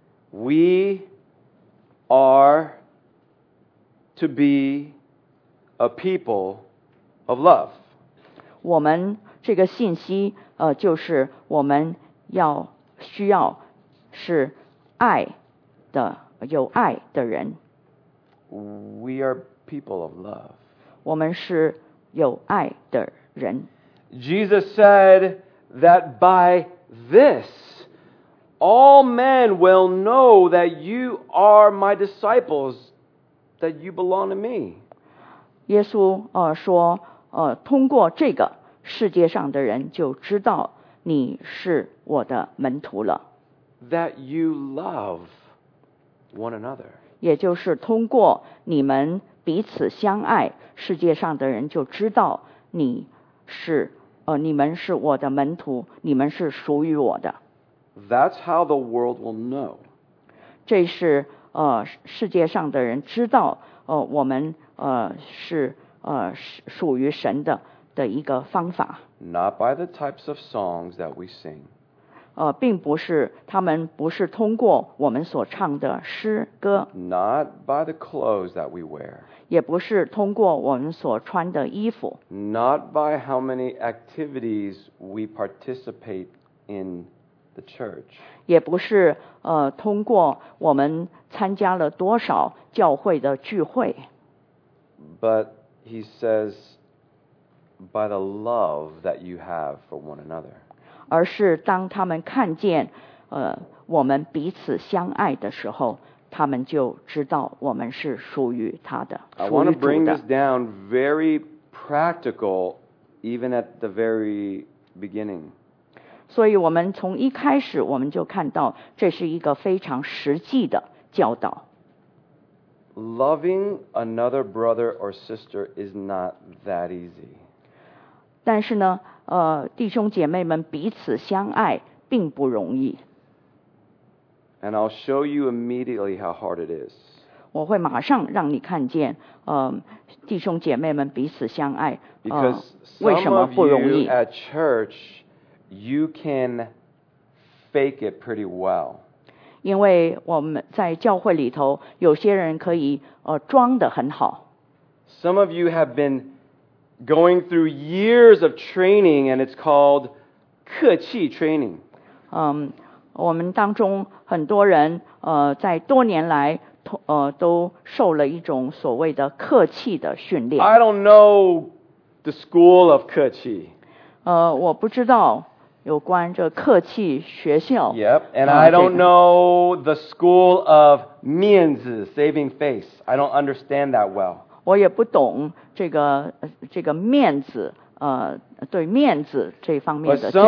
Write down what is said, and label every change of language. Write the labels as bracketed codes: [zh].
[en] We are to be a people of love. [zh] 我们这个信息就是我们要需要是爱的有爱的人。 [en] We are people of love. [zh] 我们是有爱的人。 [en] Jesus said that by this, all men will know that you are my disciples, that you belong to me. [zh] 耶稣说通过这个世界上的人就知道你是我的门徒了。 [en] That you love one another. [zh] 也就是通过你们彼此相爱，世界上的人就知道你是你们是我的门徒，你们是属于我的。 [en] That's how the world will know. [zh] 这是世界上的人知道我们是属于神的一个方法。 [en] Not by the types of songs that we sing. [zh] 并不是他们不是通过我们所唱的诗歌。 [en] Not by the clothes that we wear. [zh] 也不是通过我们所穿的衣服。 [en] Not by how many activities we participate in the church. [zh] 也不是通过我们参加了多少教会的聚会。 [en] But he says, by the love that you have for one another. [zh] 而是当他们看见我们彼此相爱的时候，他们就知道我们是属于他的，属于主的。 [en] I want to bring this down very practical, even at the very beginning. [zh] 所以我们从一开始我们就看到这是一个非常实际的教导。 [en] Loving another brother or sister is not that easy. [zh] 但是呢弟兄姐妹们彼此相爱并不容易。 [en] And I'll show you immediately how hard it is. [zh] 我会马上让你看见弟兄姐妹们彼此相爱为什么不容易。 [en] Because some of you at church, you can fake it pretty well. [zh] 因为我们在教会里头有些人可以装得很好。 [en] Some of you have been going through years of training, and it's called 客气 training. [zh] 我们当中很多人在多年来都受了一种所谓的客气的训练。 [en] I don't know the school of 客气。 [zh] 我不知道有关这客气学校。 [en] Yep, and I don't know the school of 面子 saving face. I don't understand that well. [zh] 我也不懂这个面子对面子这方面的教育。